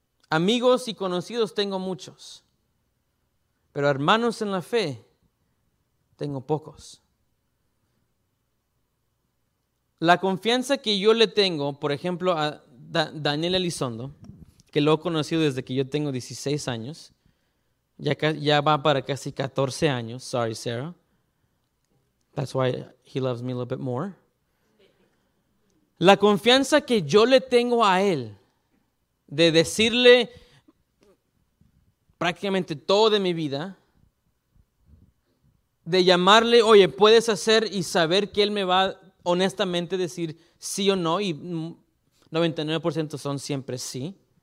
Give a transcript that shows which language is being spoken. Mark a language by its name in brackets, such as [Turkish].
[Spanish] Amigos y conocidos tengo muchos. Pero hermanos en la fe, tengo pocos. La confianza que yo le tengo, por ejemplo, a Daniel Elizondo, que lo he conocido desde que yo tengo 16 años, ya va para casi 14 años. [English] Sorry, Sarah. That's why he loves me a little bit more. [Spanish] La confianza que yo le tengo a él, de decirle prácticamente todo de mi vida, de llamarle, oye, ¿puedes hacer? Y saber que él me va honestamente decir sí o no, y 99% son siempre sí.